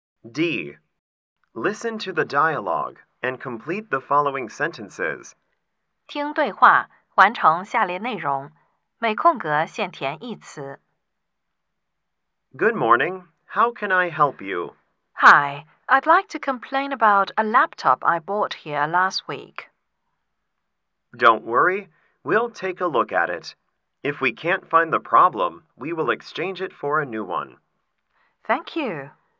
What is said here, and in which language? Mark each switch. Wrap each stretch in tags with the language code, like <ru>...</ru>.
<en>D. Listen to the dialogue and complete the following sentences.</en> <zh>听对话，完成下列内容，每空格限填一词。</zh> <en>Good morning. How can I help you? Hi. I'd like to complain about a laptop I bought here last week. Don't worry. We'll take a look at it. If we can't find the problem, we will exchange it for a new one. Thank you.</en>